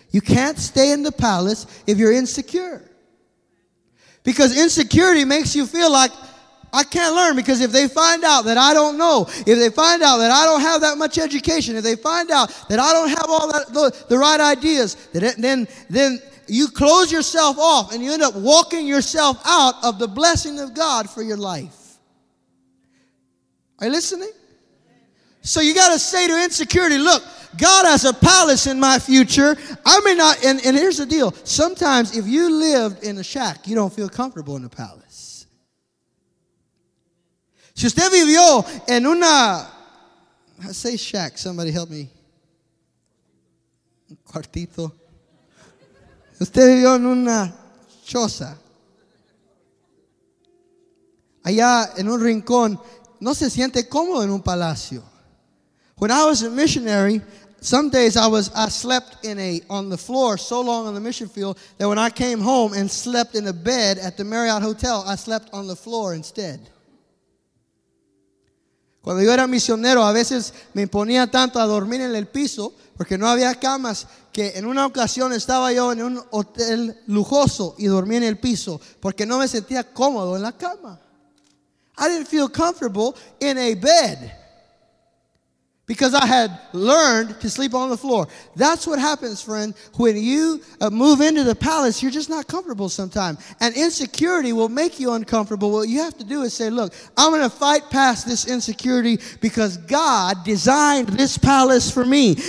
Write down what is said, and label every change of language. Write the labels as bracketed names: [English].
[English] You can't stay in the palace if you're insecure. Because insecurity makes you feel like, I can't learn, because if they find out that I don't know, if they find out that I don't have that much education, if they find out that I don't have all that, the right ideas, then you close yourself off and you end up walking yourself out of the blessing of God for your life. Are you listening? So you got to say to insecurity, look, God has a palace in my future. I may not, and here's the deal. Sometimes if you lived in a shack, you don't feel comfortable in a palace. [Spanish] Si usted vivió en una, [English] I say shack, somebody help me, [Spanish] un cuartito. Si usted vivió en una choza, allá en un rincón, no se siente cómodo en un palacio. [English] When I was a missionary, some days I slept on the floor so long on the mission field that when I came home and slept in a bed at the Marriott Hotel, I slept on the floor instead. [Spanish] Cuando yo era misionero, a veces me imponía tanto a dormir en el piso porque no había camas, que en una ocasión estaba yo en un hotel lujoso y dormí en el piso porque no me sentía cómodo en la cama. [English] I didn't feel comfortable in a bed because I had learned to sleep on the floor. That's what happens, friend, when you move into the palace, you're just not comfortable sometimes. And insecurity will make you uncomfortable. What you have to do is say, look, I'm going to fight past this insecurity because God designed this palace for me.